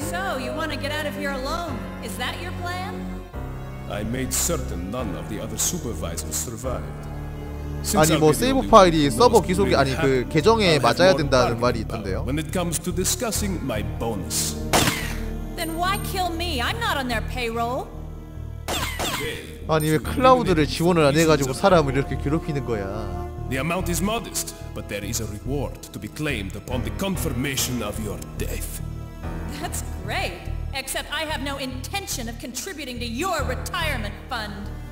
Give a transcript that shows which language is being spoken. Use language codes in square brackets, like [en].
[en] So, you want to get out of here alone? Is that your plan? I made certain none of the other supervisors survived. [ko] 아니 뭐 세이브 파일이 서버 기속이 아니 그 계정에 맞아야 된다는 말이 있던데요. [en] When it comes to discussing my bonus. Then why kill me? I'm not on their payroll. [ko] 아니 왜 클라우드를 지원을 안 해가지고 사람을 이렇게 괴롭히는 거야. [en] The amount is modest, but there is a reward to be claimed upon the confirmation of your death. That's great. Except I have no intention of contributing to your retirement fund.